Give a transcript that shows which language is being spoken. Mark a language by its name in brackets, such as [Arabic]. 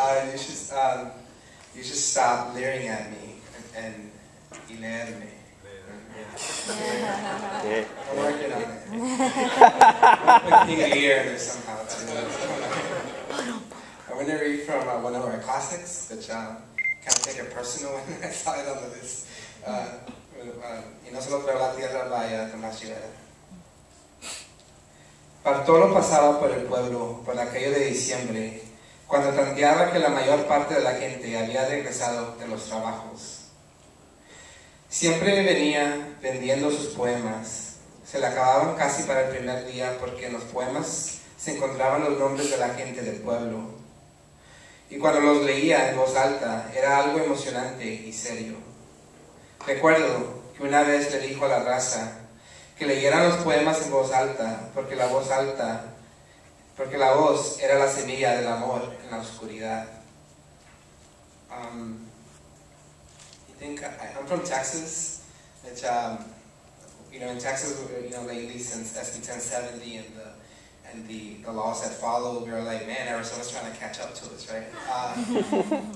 [English] you should stop leering at me and leer me. I'm working on it. Putting ear in there somehow too. I'm gonna read from one of our classics, which kind of take it personal when I saw it on the list. [Spanish] Y no solo fue la tierra vaya Tomás Rivera. Bartolo pasaba por el pueblo por aquello de diciembre, cuando tanteaba que la mayor parte de la gente había regresado de los trabajos. Siempre venía vendiendo sus poemas. Se le acababan casi para el primer día porque en los poemas se encontraban los nombres de la gente del pueblo. Y cuando los leía en voz alta, era algo emocionante y serio. Recuerdo que una vez le dijo a la raza que leyeran los poemas en voz alta, porque la voz era la semilla del amor en la oscuridad. [English] I'm from Texas, which, you know, in Texas, you know, lately since SB 1070 and the laws that follow, we're like, man, Arizona's trying to catch up to us, right?